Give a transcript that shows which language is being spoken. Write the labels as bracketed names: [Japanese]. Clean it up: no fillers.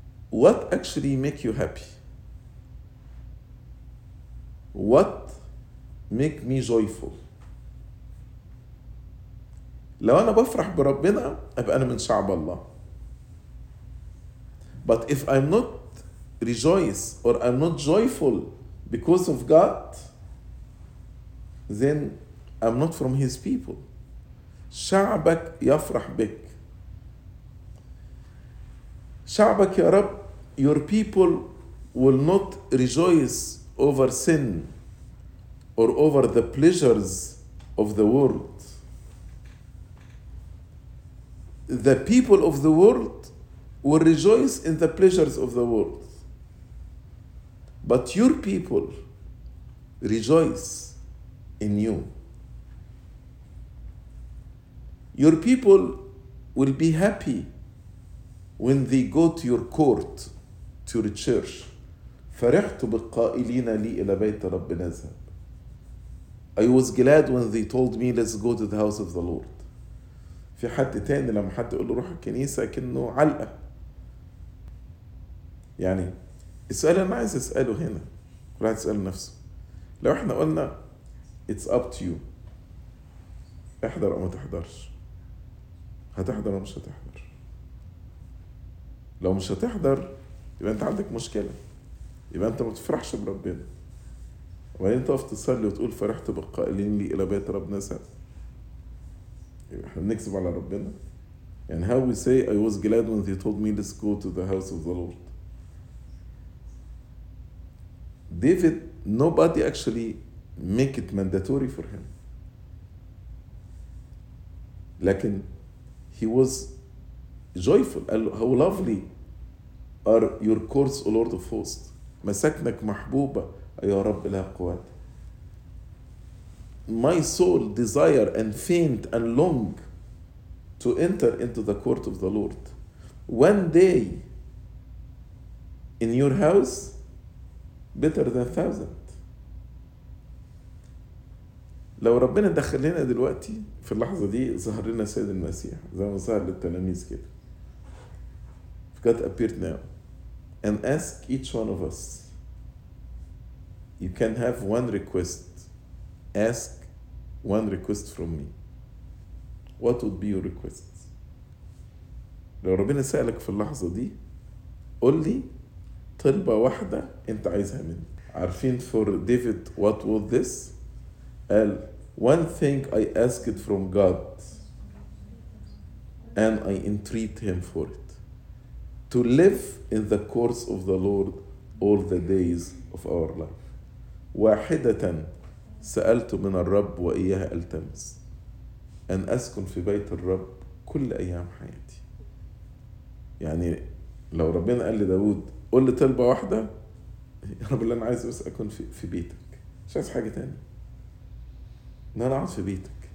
[English] What actually make you happy? What make me joyful? [Arabic] لو أنا بفرح بربنا أبقى أنا من شعب الله. [English] But if I'm not rejoice or I'm not joyful because of God, then I'm not from His people. [Arabic] شعبك يفرح بك. شعبك يا رب, [English] your people will not rejoice over sin or over the pleasures of the world. The people of the world will rejoice in the pleasures of the world. But your people rejoice in you. Your people will be happy when they go to your court, to your church. [Arabic] فَرِحْتُ بِالْقَائِلِينَ لِي إِلَى بَيْتَ رَبِّنَا ذَهَبْ. [English] I was glad when they told me, let's go to the house of the Lord. [Arabic] في حد تاني لما حد يقول له روح الكنيسة كأنه علقة. يعني السؤال أنا عايز أسأله هنا. راح أسأل نفسه. لو إحنا قلنا [English] it's up to you. [Arabic] احضر أو ما تحضرش. هتحضر أو مش هتحضر. لو مش هتحضر يبقى أنت عندك مشكلة. يبقى أنت ما تفرحش بربنا. وبعدين انت تقف تصلي وتقول فرحت بالقائلين لي الى بيت ربنا سعد. احنا بنكذب على ربنا. يعني [English] how we say I was glad when they told me let's go to the house of the Lord. David, nobody actually make it mandatory for him. [Arabic] لكن [English] he was joyful. [Arabic] قال له [English] how lovely are your courts, O Lord of hosts. [Arabic] مساكنك محبوبة يا رب لها قوات. [English] My soul desire and faint and long to enter into the court of the Lord. One day in your house better than 1,000. [Arabic] لو ربنا دخل لنا دلوقتي في اللحظة دي ظهر لنا سيد المسيح زي ما ظهر للتلاميذ كده. [English] God appeared now and ask each one of us. You can have one request. Ask one request from me. What would be your request? [Arabic] لو ربنا سألك في اللحظة دي قل لي طلبة واحدة انت عايزها مني. عارفين [English] for David what was this? [Arabic] قال [English] one thing I asked from God and I entreat him for it. To live in the courts of the Lord all the days of our life. [Arabic] واحدة سألت من الرب وإياها ألتمس أن أسكن في بيت الرب كل أيام حياتي. يعني لو ربنا قال لداود قل لي طلبة واحدة يا رب اللي أنا عايز بس أكون في بيتك مش عايز حاجة تانية أن أنا أقعد في بيتك.